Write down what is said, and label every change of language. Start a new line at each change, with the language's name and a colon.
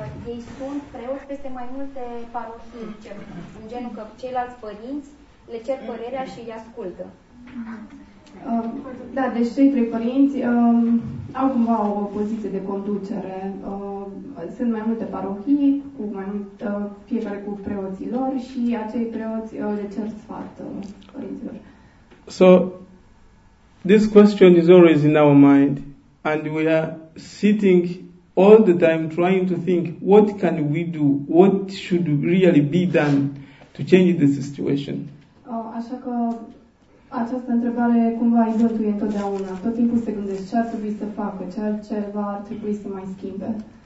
Romanian: Ei sunt preoți peste mai multe parohii, în genul că ceilalți părinți le cer părerea și îi ascultă. Da, deci cei trei părinți au cumva o poziție de conducere. Sunt mai multe parohii, cu mai mult, fiecare cu preoții lor și acei preoți le cer sfat părinților.
English: So, this question is always in our mind and we are sitting all the time trying to think, what can we do? What should really be done to change the situation?
Romanian: Așa că această întrebare cumva izvântuie întotdeauna. Tot timpul se gândește ce ar trebui să facă, ce altceva ar trebui să mai schimbe.